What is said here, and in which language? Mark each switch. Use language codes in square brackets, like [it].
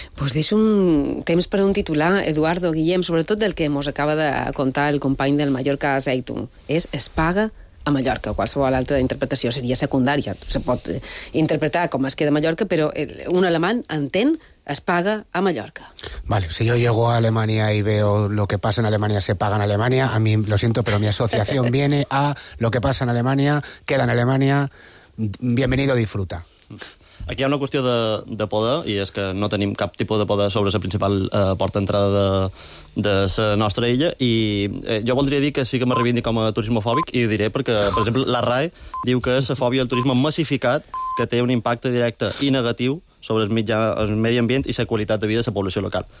[ca] Pues deixo un temps per un titular, Eduardo, Guillem, sobretot del que mos acaba de contar el company del Mallorca Zeitung. Es paga a Mallorca, qualsevol altra interpretació seria secundària. Se pot interpretar com es queda a Mallorca, però un alemany entén es paga a Mallorca. [es] Vale, si yo llego a Alemania y veo lo que pasa en Alemania, se paga en Alemania, a mí, lo siento, pero mi asociación viene a lo que pasa en Alemania, queda en Alemania, bienvenido, disfruta. [ca] Aquí hi ha una qüestió de poder, i és que no tenim cap tipus de poder sobre la principal porta d'entrada de la nostra illa, i jo voldria dir que sí que me reivindic com a turismofòbic, i ho diré perquè, per exemple, la RAE diu que és la fòbia del turisme massificat que té un impacte directe i negatiu sobre el medi ambient i la qualitat de vida de la població local.